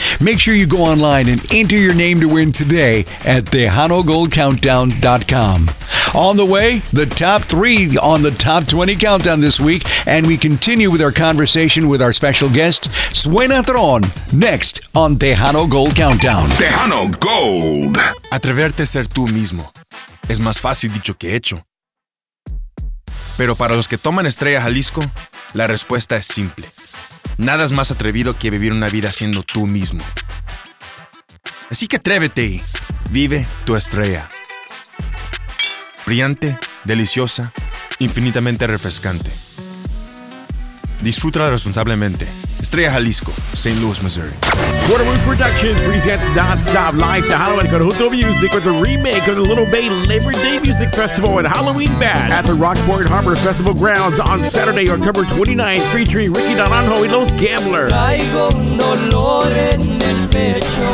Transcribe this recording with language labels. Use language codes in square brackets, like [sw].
[en] Make sure you go online and enter your name to win today at TejanoGoldCountdown.com. On the way, the top 3 on the Top 20 Countdown this week, and we continue with our conversation with our special guest, Suena Tron, next on Tejano Gold Countdown. Tejano Gold! [es] Atreverte a ser tú mismo es más fácil dicho que hecho. Pero para los que toman Estrella Jalisco, la respuesta es simple. Nada es más atrevido que vivir una vida siendo tú mismo. Así que atrévete y vive tu estrella. Brillante, deliciosa, infinitamente refrescante. Disfrútala responsablemente. Estrella Jalisco, St. Louis, Missouri. [en] Quarter Moon Productions presents Non Stop Life, the Halloween Conjunto Music, with the remake of the Little Bay Labor Day Music Festival and Halloween Bash at the Rockport Harbor Festival Grounds on Saturday, October 29th, featuring Ricky Naranjo y Los Gambler. [es] Traigo un dolor en el pecho.